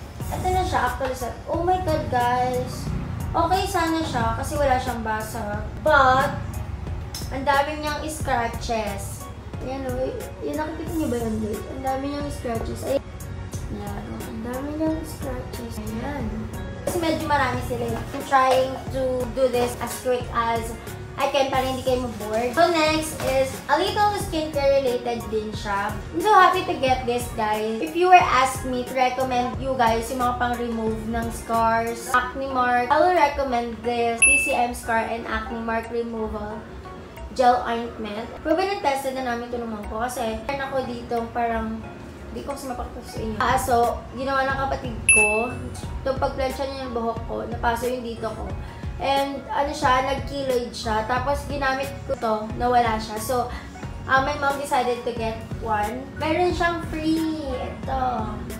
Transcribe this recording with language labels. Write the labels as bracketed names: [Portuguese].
[Filipino] And ito na siya after set. [English] Oh my god guys. [Filipino] Okay sana siya kasi wala siyang basa. But ang dami niyang scratches. Ayan o, yun, nakikita niyo ba yun dito? Ang dami niyang scratches. Ayan, ang dami niyang scratches. Ayan. Kasi medyo marami sila. [English] I'm trying to do this as quick as I can [Filipino] para hindi kayo mabored. [English] So next is a little skincare related [Filipino] din siya. [English] I'm so happy to get this guys. If you were asked me to recommend you guys [Filipino] yung mga pang remove [English] ng scars, acne mark, I will recommend this PCM scar and acne mark removal gel ointment. Proven and tested [Filipino] na namin ito ng mom ko kasi meron ako dito parang hindi ko kasi mapakita sa inyo. So, ginawa ng kapatid ko. Itong pag-plancha niya yung buhok ko, napaso yung dito ko. And ano siya, nag-keloid siya. Tapos ginamit ko ito, nawala siya. [English] So, my mom decided to get one. [Filipino] Meron siyang free. Ito.